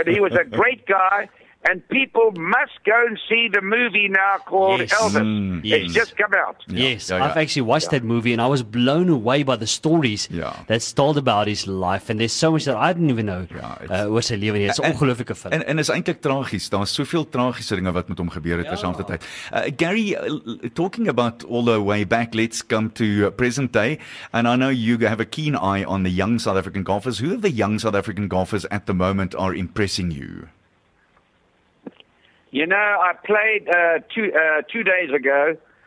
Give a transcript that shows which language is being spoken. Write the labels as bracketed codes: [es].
[en] And he was a great guy. And people must go and see the movie now called Elvis. Yes. It's just come out. I've actually watched that movie, and I was blown away by the stories that's told about his life. And there's so much that I didn't even know [af] was sy lewe nie. [en] It's an ongelooflike film. And it's [af] eintlik tragies. Daar is soveel tragiese dinge wat met hom gebeur het terselfs te tyd. [en] Gary, talking about all the way back, let's come to present day. And I know you have a keen eye on the young South African golfers. Who of the young South African golfers at the moment are impressing you? You know, I played two days ago.